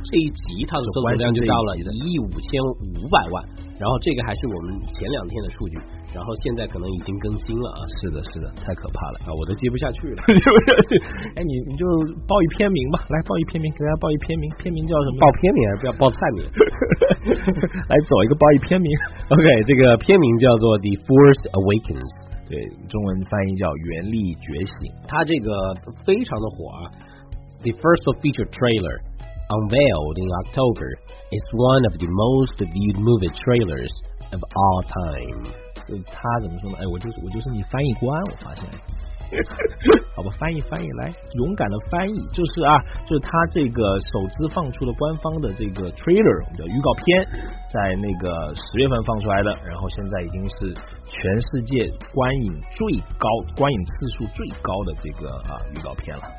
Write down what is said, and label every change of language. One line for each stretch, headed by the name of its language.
Chinese: 这一集它的搜索量就到了1.55亿，然后这个还是我们前两天的数据。然后现在可能已经更新了啊！是的，是的，太可怕了啊！我都接不下去了，哎，你就报一篇名吧，来报一篇名，给大家报一篇名，片名叫什么？报片名还是不要报菜名？来走一个报一篇名。 OK， 这个片名叫做《The Force Awakens》，对，中文翻译叫《原力觉醒》。它这个非常的火啊，《The First Feature Trailer》。
English: Unveiled in October, is one of the most viewed movie trailers of all time.
Chinese: 他怎么说呢？哎，我就是你翻译官，我发现。好吧，翻译，来，勇敢的翻译，就是啊，就是他这个首次放出的官方的这个 trailer， 我们叫预告片，在那个10月份放出来的，然后现在已经是全世界观影最高、观影次数最高的这个啊预告片了。